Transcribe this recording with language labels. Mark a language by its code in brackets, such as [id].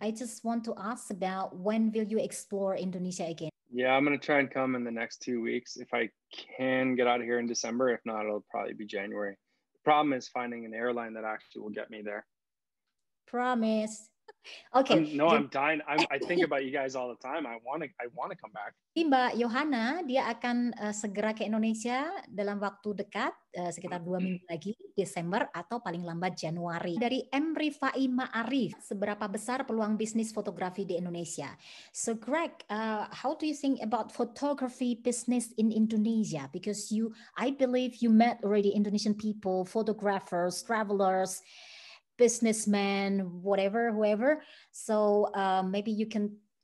[en] I just want to ask about when will you explore Indonesia again? Yeah, I'm going to try and come in the next 2 weeks. If I can get out of here in December, if not, it'll probably be January. The problem is finding an airline that actually will get me there. Promise. Okay. I'm dying. I think about you guys all the time. I want to come back. [id] Mbak Johanna, dia akan segera ke Indonesia dalam waktu dekat, sekitar 2 minggu lagi, Desember atau paling lambat Januari. Dari M.Rifai Ma'arif, seberapa besar peluang bisnis fotografi di Indonesia? [en] So Gregg, how do you think about photography business in Indonesia? Because I believe you met already Indonesian people, photographers, travelers, businessman, whatever, whoever. So maybe you can